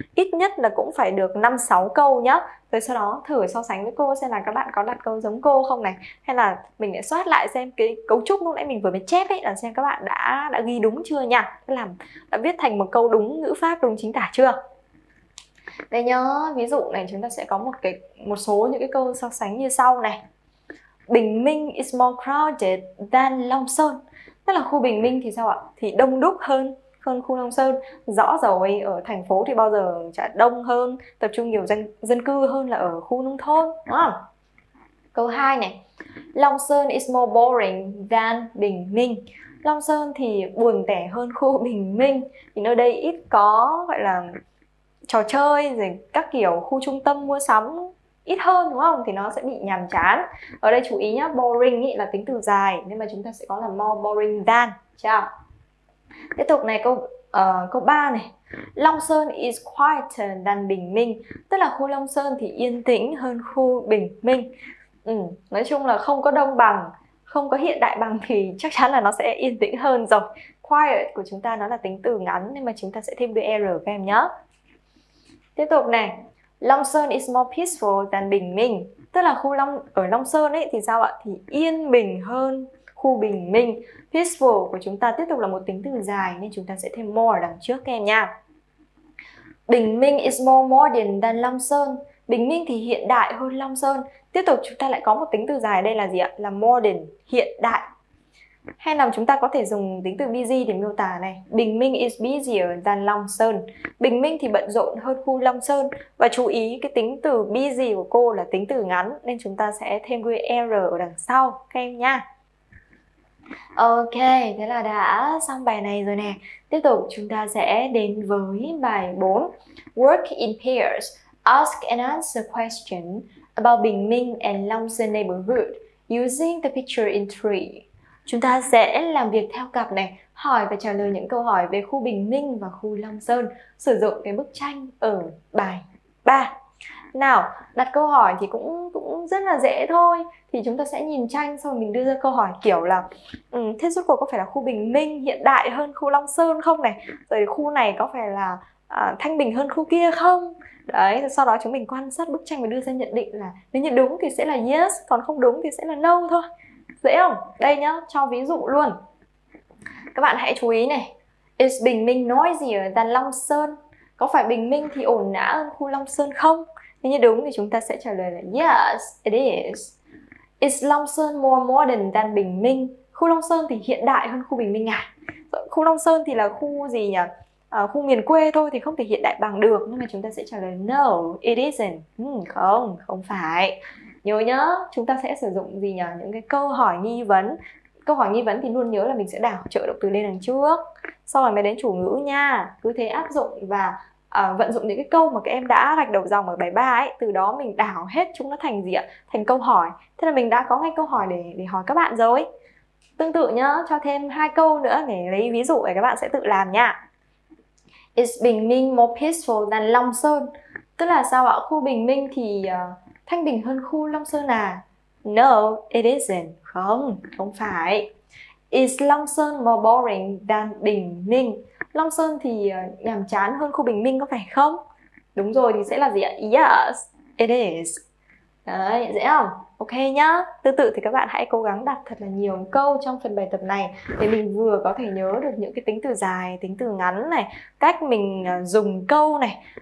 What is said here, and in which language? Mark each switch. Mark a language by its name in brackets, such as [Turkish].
[Vietnamese] Ít nhất là cũng phải được 5-6 câu nhá. Rồi sau đó thử so sánh với cô xem là các bạn có đặt câu giống cô không này. Hay là mình lại soát lại xem cái cấu trúc lúc nãy mình vừa mới chép ấy, là xem các bạn đã ghi đúng chưa nhỉ? Làm đã viết thành một câu đúng ngữ pháp, đúng chính tả chưa? Đây nhớ, ví dụ này chúng ta sẽ có một số những cái câu so sánh như sau này. [English] Bình Minh is more crowded than Long Sơn. [Vietnamese] Tức là khu Bình Minh thì sao ạ? Thì đông đúc hơn hơn khu Long Sơn. Rõ rồi, ở thành phố thì bao giờ chả đông hơn, tập trung nhiều dân cư hơn là ở khu nông thôn, đúng không? Câu 2 này. [English] Long Sơn is more boring than Bình Minh. [Vietnamese] Long Sơn thì buồn tẻ hơn khu Bình Minh. Thì nơi đây ít có gọi là trò chơi rồi các kiểu, khu trung tâm mua sắm ít hơn đúng không, thì nó sẽ bị nhàm chán. Ở đây chú ý nhá, boring ý là tính từ dài nên mà chúng ta sẽ có là more boring than. Chào. Tiếp tục này, câu 3 này. [English] Long Sơn is quieter than Bình Minh. [Vietnamese] Tức là khu Long Sơn thì yên tĩnh hơn khu Bình Minh. Nói chung là không có đông bằng, không có hiện đại bằng thì chắc chắn là nó sẽ yên tĩnh hơn rồi. Quiet của chúng ta nó là tính từ ngắn nên mà chúng ta sẽ thêm đuôi er các em nhá. Tiếp tục này. [English] Long Sơn is more peaceful than Bình Minh. [Vietnamese] Tức là khu Long Sơn ấy thì sao ạ? Thì yên bình hơn khu Bình Minh. Peaceful của chúng ta tiếp tục là một tính từ dài nên chúng ta sẽ thêm more đằng trước kèm nha. [English] Bình Minh is more modern than Long Sơn. [Vietnamese] Bình Minh thì hiện đại hơn Long Sơn. Tiếp tục chúng ta lại có một tính từ dài đây là gì ạ? Là modern, hiện đại. Hay là chúng ta có thể dùng tính từ busy để miêu tả này. [English] Bình Minh is busier than Long Sơn. [Vietnamese] Bình Minh thì bận rộn hơn khu Long Sơn. Và chú ý cái tính từ busy của cô là tính từ ngắn nên chúng ta sẽ thêm đuôi er ở đằng sau các em nha. Ok, thế là đã xong bài này rồi nè. Tiếp tục chúng ta sẽ đến với bài 4. [English] Work in pairs. Ask and answer question about Bình Minh and Long Sơn neighborhood using the picture in 3. [Vietnamese] Chúng ta sẽ làm việc theo cặp này, hỏi và trả lời những câu hỏi về khu Bình Minh và khu Long Sơn sử dụng cái bức tranh ở bài 3. Nào, đặt câu hỏi thì cũng rất là dễ thôi. Thì chúng ta sẽ nhìn tranh xong rồi mình đưa ra câu hỏi kiểu là thế rốt cuộc có phải là khu Bình Minh hiện đại hơn khu Long Sơn không này? Rồi khu này có phải là thanh bình hơn khu kia không? Đấy, sau đó chúng mình quan sát bức tranh và đưa ra nhận định là nếu như đúng thì sẽ là yes, còn không đúng thì sẽ là no thôi. Dễ không? Đây nhá, cho ví dụ luôn. Các bạn hãy chú ý này. [English] Is Bình Minh noisier than Long Sơn? [Vietnamese] Có phải Bình Minh thì ồn ào hơn khu Long Sơn không? Nếu như đúng thì chúng ta sẽ trả lời là [English] yes, it is. Is Long Sơn more modern than Bình Minh? [Vietnamese] Khu Long Sơn thì hiện đại hơn khu Bình Minh à? Khu Long Sơn thì là khu gì nhỉ? Khu miền quê thôi thì không thể hiện đại bằng được. Nhưng mà chúng ta sẽ trả lời [English] no, it isn't. [Vietnamese] Không, không phải. Nhớ nhá, chúng ta sẽ sử dụng gì nhỉ? Những cái câu hỏi nghi vấn. Câu hỏi nghi vấn thì luôn nhớ là mình sẽ đảo trợ động từ lên đằng trước, sau rồi mới đến chủ ngữ nha. Cứ thế áp dụng và vận dụng những cái câu mà các em đã gạch đầu dòng ở bài 3 ấy. Từ đó mình đảo hết chúng nó thành gì ạ? Thành câu hỏi. Thế là mình đã có ngay câu hỏi để hỏi các bạn rồi. Tương tự nhá, cho thêm hai câu nữa để lấy ví dụ để các bạn sẽ tự làm nha. [English] Is Bình Minh more peaceful than Long Sơn? [Vietnamese] Tức là sao ạ? Khu Bình Minh thì thanh bình hơn khu Long Sơn à? [English] No, it isn't. [Vietnamese] Không, không phải. [English] Is Long Sơn more boring than Bình Minh? [Vietnamese] Long Sơn thì nhàm chán hơn khu Bình Minh có phải không? Đúng rồi, thì sẽ là gì ạ? [English] Yes, it is. [Vietnamese] Đấy, dễ không? Ok nhá. Tương tự thì các bạn hãy cố gắng đặt thật là nhiều câu trong phần bài tập này để mình vừa có thể nhớ được những cái tính từ dài, tính từ ngắn này, cách mình dùng câu này.